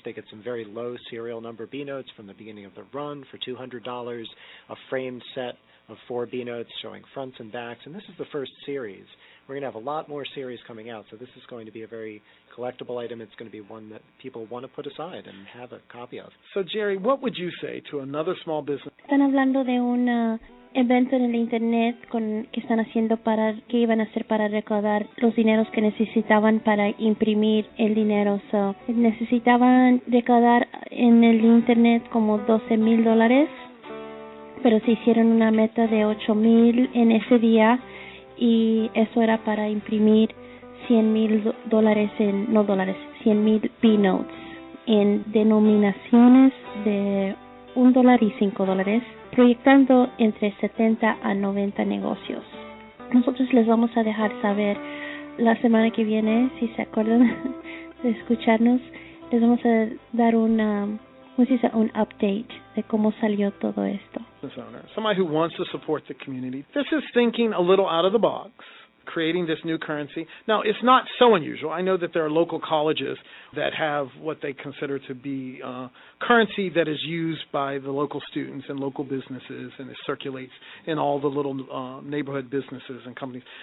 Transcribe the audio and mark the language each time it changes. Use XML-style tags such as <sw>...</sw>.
<en>They get some very low serial number BNOTEs from the beginning of the run for $200, a framed set of four BNOTEs showing fronts and backs, and this is the first series. We're going to have a lot more series coming out, so this is going to be a very collectible item. It's going to be one that people want to put aside and have a copy of. So, Jerry, what would you say to another small business?</en> <es>Están hablando de un evento en el Internet que están haciendo para que iban a hacer para recaudar los dineros que necesitaban para imprimir el dinero. So, necesitaban recaudar en el Internet como $12,000, pero se hicieron una meta de $8,000 en ese día. Y eso era para imprimir $100,000 en, no dólares, $100,000 B-notes en denominaciones de $1 y $5, proyectando entre 70 a 90 negocios. Nosotros les vamos a dejar saber la semana que viene, si se acuerdan de escucharnos, les vamos a dar una, ¿cómo se dice? Un update de cómo salió todo esto.</es> <en>Business owner, somebody who wants to support the community. This is thinking a little out of the box, creating this new currency. Now, it's not so unusual. I know that there are local colleges that have what they consider to be currency that is used by the local students and local businesses, and it circulates in all the little neighborhood businesses and companies.</en>